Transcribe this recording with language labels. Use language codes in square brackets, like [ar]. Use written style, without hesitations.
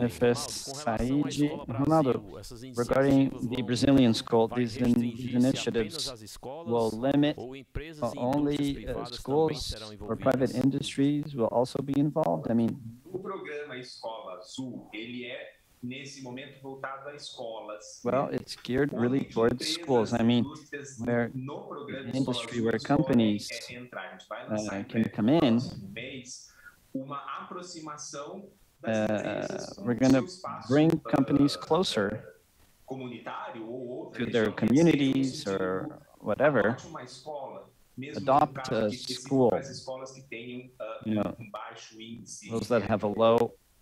[en] Jennifer Said, Ronaldo, regarding the Brazilian school, these initiatives will limit only schools or private industries will also be involved. I mean, [pt] o programa Escola Azul, ele é nesse momento voltado a escolas. [en] Well, it's geared really towards schools. I mean, where industry, where companies can come in. [pt] Uma aproximação. [en] We're going to bring companies closer to their communities or whatever, adopt a school, you know, those that have a low